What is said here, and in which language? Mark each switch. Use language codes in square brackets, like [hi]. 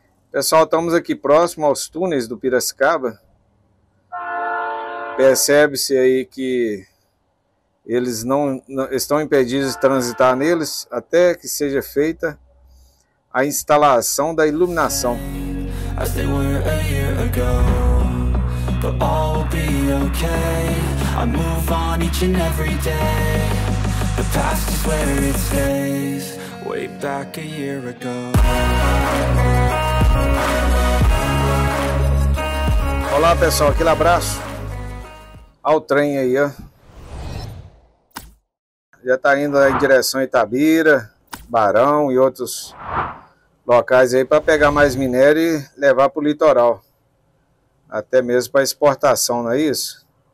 [pt] Pessoal, estamos aqui próximo aos túneis do Piracicaba. Percebe-se aí que eles não estão impedidos de transitar neles até que seja feita a instalação da iluminação. [en] As they were a year ago, but all will be okay. I move on each and every day. The past is where it stays, way back a year ago. [pt] Olá pessoal, aquele abraço ao trem aí, ó. Já tá indo em direção Itabira, Barão e outros locais aí para pegar mais minério e levar para o litoral, até mesmo para exportação, não é isso?